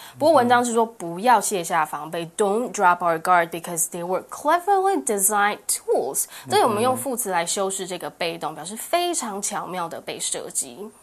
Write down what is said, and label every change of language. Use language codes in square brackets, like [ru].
[zh] 不过文章是说不要卸下防备。 [en] Don't drop our guard because they were cleverly designed tools. [zh] 所以我们用副词来修饰这个被动，表示非常巧妙的被设计。